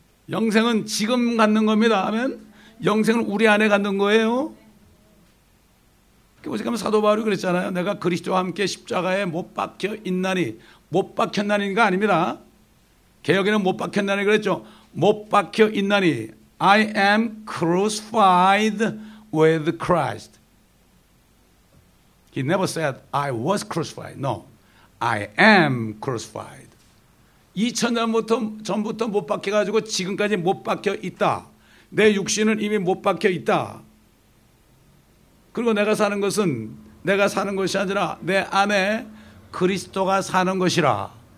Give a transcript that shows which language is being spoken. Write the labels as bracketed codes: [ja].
[ko] 영생은 지금 갖는 겁니다. 아멘. 영생은 우리 안에 갖는 거예요. 보니까 사도 바울이 그랬잖아요. 내가 그리스도와 함께 십자가에 못 박혀 있나니. 못 박혔나니가 아닙니다. 개혁에는 못 박혔나니 그랬죠. 못 박혀 있나니. [en] I am crucified with Christ. He never said, I was crucified. No, I am crucified. [ko] 2000년부터 전부터 못 박혀가지고 지금까지 못 박혀 있다. 내 육신은 이미 못 박혀 있다. 그리고 내가 사는 것은 내가 사는 것이 아니라 내 안에 그리스도가 사는 것이라.